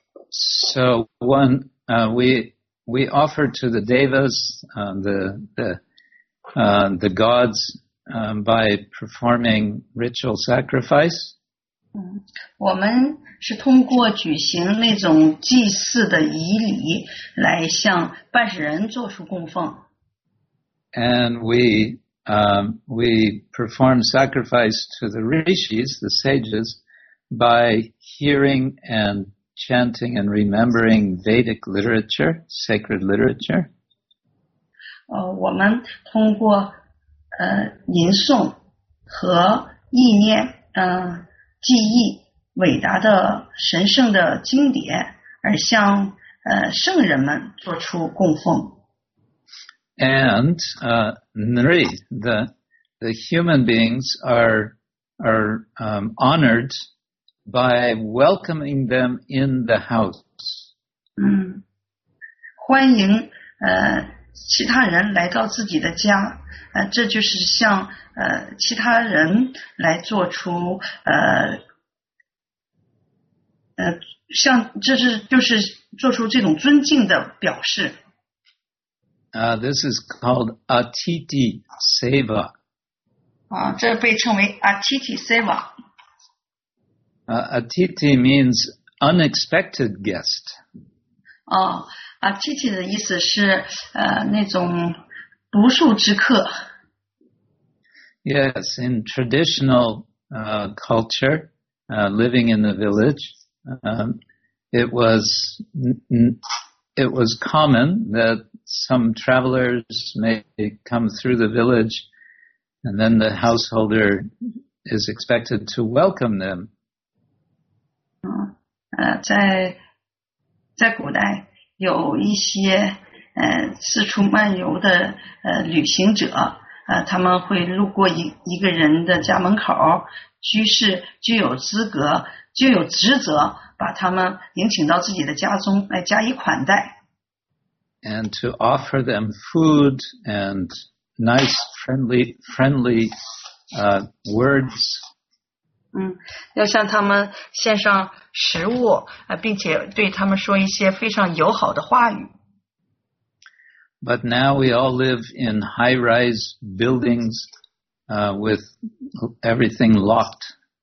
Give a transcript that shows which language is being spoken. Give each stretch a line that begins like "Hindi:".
English: So one, we offer to the devas, the gods, by performing ritual sacrifice.
Chinese: 我们是通过举行那种祭祀的仪礼来向半神人做出供奉。
English: And we perform sacrifice to the rishis, the sages, by hearing and chanting and remembering Vedic literature, sacred literature.
Chinese: 我们通过吟诵和意念记忆伟大的神圣的经典而向圣人们做出供奉。
English: And Nri, the human beings are honored by welcoming them in the house.
Chinese: 欢迎其他人来到自己的家，这就是向其他人来做出像这是就是做出这种尊敬的表示。
English: This is called Atithi Seva.
Chinese: 这被称为 Atithi Seva.
English: Atithi means unexpected guest.
Chinese: Atithi 的意思是那种不速之客。
English: Yes, in traditional culture, living in the village, it was common that some travelers may come through the village and then the householder is expected to welcome them.
Chinese: 在古代有一些四处漫游的旅行者他们会路过一个人的家门口居士具有资格具有职责把他们迎请到自己的家中来加以款待。
English: And to offer them food and nice, friendly words.
Chinese: 要向他们献上食物，并且对他们说一些非常友好的话语。
English: But now we all live in high-rise buildings, with everything locked.